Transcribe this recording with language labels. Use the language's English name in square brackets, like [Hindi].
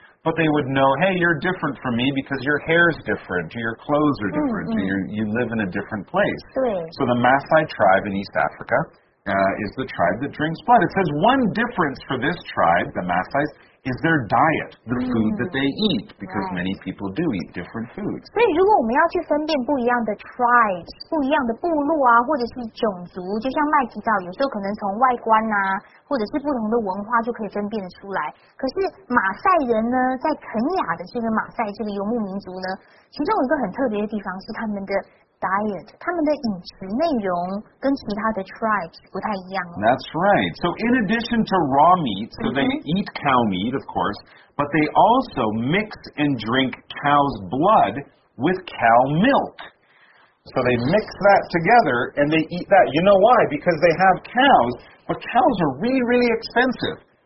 [English] But they would know, hey, you're different from me because your hair is different, your clothes are different, you live in a different place. Right. So the Maasai tribe in East Africa, is the tribe that drinks blood. It says one difference for this tribe, the Maasai, is their diet, the food that they eat, because many people do eat different foods. [Chinese] 所以如果我们要去分辨不一样的 tribes, 不一样的部落啊或者是种族就像麦提到有时候可能从外观啊或者是不同的文化就可以分辨出来。可是马赛人呢在肯雅的这个马赛这个游牧民族呢其中有一个很特别的地方是他们的diet, 他们的饮食内容跟其他的 tribes 不太一样。 [English] That's right. So in addition to raw meat, so they eat cow meat, of course, but they also mix and drink cow's blood with cow milk. So they mix that together and they eat that. You know why? Because they have cows, but cows are really, really expensive.